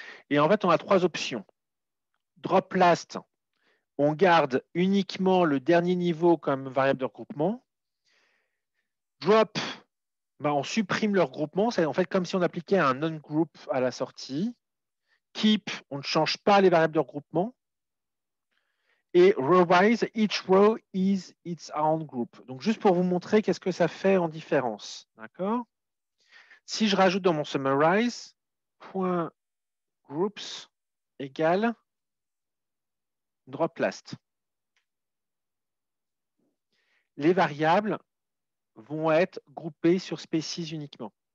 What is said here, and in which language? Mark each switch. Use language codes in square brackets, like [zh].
[fr] Et en fait, on a trois options. Drop last, on garde uniquement le dernier niveau comme variable de regroupement. Drop, ben on supprime le regroupement. C'est en fait comme si on appliquait un non-group à la sortie. Keep, on ne change pas les variables de regroupement. [en] Et revise, each row is its own group. [fr] Donc, juste pour vous montrer qu'est-ce que ça fait en différence. D'accord ? Si je rajoute dans mon summarize, point groups égale drop last. Les variables vont être groupés sur species uniquement.